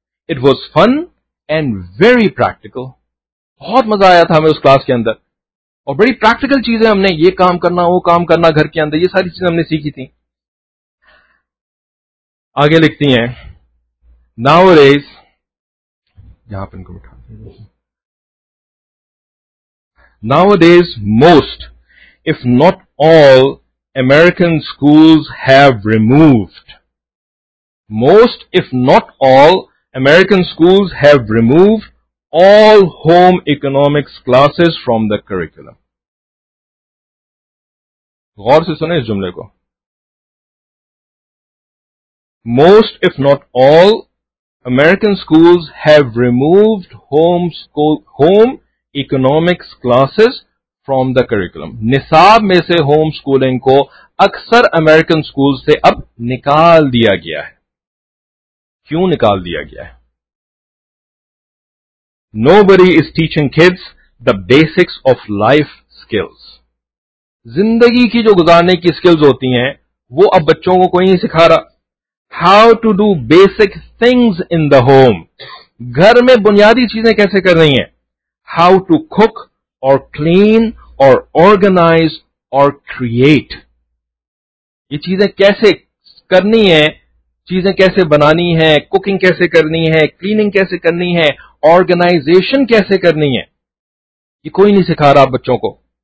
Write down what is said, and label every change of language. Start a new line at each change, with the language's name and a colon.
English: it was fun and very practical,
Urdu: بہت مزہ آیا تھا ہمیں اس کلاس کے اندر, اور بڑی پریکٹیکل چیزیں ہم نے, یہ کام کرنا, وہ کام کرنا گھر کے اندر, یہ ساری چیزیں ہم نے سیکھی تھی. آگے لکھتی ہیں, Nowadays, یہاں پہ ان کو بٹھا دیں.
English: Nowadays, most, if not all, American schools have removed. Most, if not all, American schools have removed all home economics classes from the curriculum.
Urdu: غور سے سنیں اس جملے کو.
English: Most, if not all, American schools have removed home economics classes from the curriculum.
Urdu: نصاب میں سے home schooling کو اکثر American schools سے اب نکال دیا گیا ہے. کیوں نکال دیا گیا ہے؟
English: Nobody is teaching kids the basics of life skills.
Urdu: زندگی کی جو گزارنے کی skills ہوتی ہیں وہ اب بچوں کو کوئی نہیں سکھا رہا.
English: How to do basic things in the home.
Urdu: گھر میں بنیادی چیزیں کیسے کر رہی ہیں.
English: How to cook or clean or organize or create.
Urdu: یہ چیزیں کیسے کرنی ہیں, چیزیں کیسے بنانی ہیں, cooking کیسے کرنی ہے, cleaning کیسے کرنی ہے, organization کیسے کرنی ہے, یہ کوئی نہیں سکھا رہا بچوں کو.